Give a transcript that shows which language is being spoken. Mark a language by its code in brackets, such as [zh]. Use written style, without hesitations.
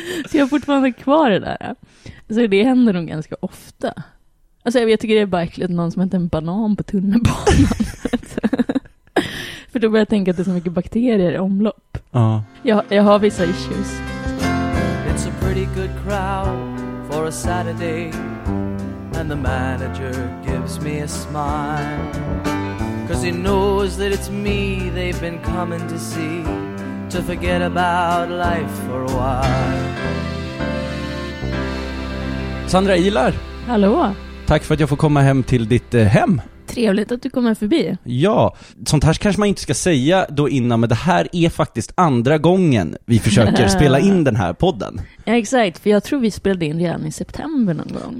[sv] Så jag har fortfarande kvar det där. Så det händer nog ganska ofta. Alltså jag tycker det är bara äckligt någon som äter en banan på tunnelbanan. För då börjar jag tänka att det är så mycket bakterier i omlopp. Jag har vissa issues. [en] It's a pretty good crowd for a Saturday, and the manager gives me a smile, 'cause he knows that it's me they've been coming to see, to forget about life for a while. [sv] Sandra Ilar. Hallå. Tack för att jag får komma hem till ditt hem. Trevligt att du kommer förbi. Ja, sånt här kanske man inte ska säga då innan, men det här är faktiskt andra gången vi försöker spela in den här podden. Ja, exakt. För jag tror vi spelade in redan i september någon gång.